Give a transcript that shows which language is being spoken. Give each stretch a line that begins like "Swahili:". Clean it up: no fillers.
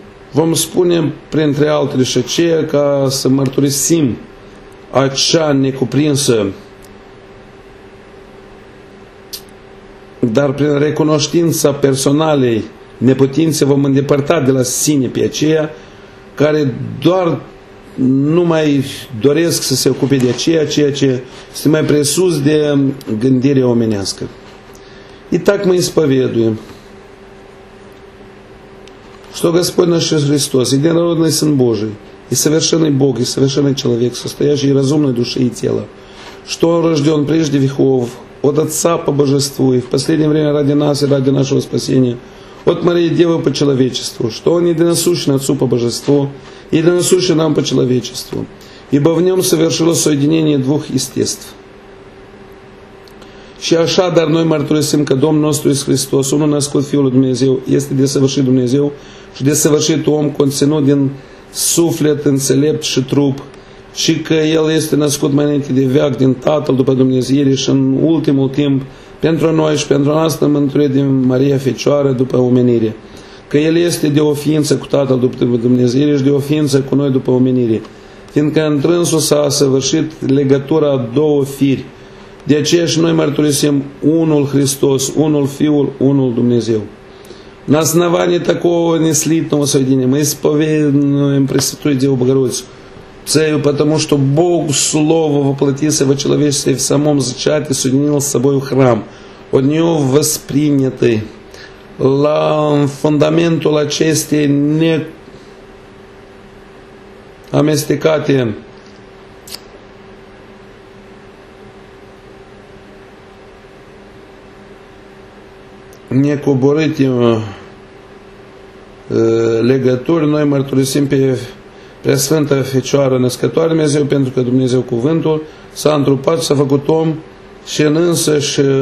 Romanian: Vom spune, printre altele și aceea, ca să mărturisim acea necuprinsă, dar prin recunoștința personalei neputințe vom îndepărta de la sine pe aceea care doar nu mai doresc să se ocupe de ceea ce este mai presus de gândirea omenească.
Russian: И так мы исповедуем, что Господь наш Иисус Христос, единородный Сын Божий, и совершенный Бог, и совершенный человек, состоящий из разумной души и тела, что рожден прежде веков от Отца по Божеству и в последнее время ради нас и ради нашего спасения, от Марии Девы по человечеству, что Он единосущен Отцу по Божеству, единосущен нам по человечеству, ибо в Нем совершилось соединение двух естеств.
Romanian: Și așa, dar noi mărturisim că Domnul nostru Iisus Hristos, unul născut Fiul lui Dumnezeu, este desăvârșit Dumnezeu și desăvârșit om conținut din suflet înțelept și trup, și că El este născut mai înainte de veac din Tatăl după Dumnezeire și în ultimul timp pentru noi și pentru noastră mântuire din Maria Fecioară după omenire, că El este de o ființă cu Tatăl după Dumnezeire și de o ființă cu noi după omenire, fiindcă întrânsul s-a săvârșit legătura a două firi. De aceea și noi mărturisim unul Hristos, unul Fiul, unul Dumnezeu.
Russian: На основании такого неслитного соединения мы исповедуем Пресвятую Деву Богородицу, Цею, потому что Бог Слово воплотился во человечестве и в самом зачатии соединил с собой храм, от Него воспринятый.
Romanian: La fundamentul acestei neamestecate necoborâte legături, noi mărturisim pe Preasfântă Fecioară Născătoare Dumnezeu, pentru că Dumnezeu Cuvântul s-a întrupat, s-a făcut om și în însăși